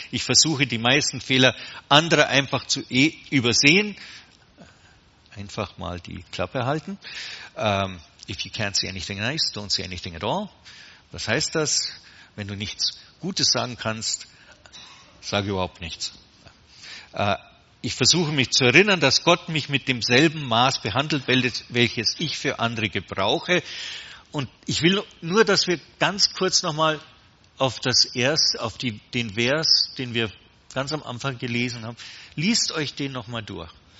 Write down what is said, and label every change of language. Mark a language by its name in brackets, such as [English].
[German] Ich versuche, die meisten Fehler anderer einfach zu übersehen. Einfach mal die Klappe halten. [English] If you can't see anything nice, don't see anything at all. [German] Was heißt das? Wenn du nichts Gutes sagen kannst, sag überhaupt nichts. Ich versuche mich zu erinnern, dass Gott mich mit demselben Maß behandelt, welches ich für andere gebrauche. Und ich will nur, dass wir ganz kurz nochmal auf das erste, auf die, den Vers, den wir ganz am Anfang gelesen haben, liest euch den nochmal durch.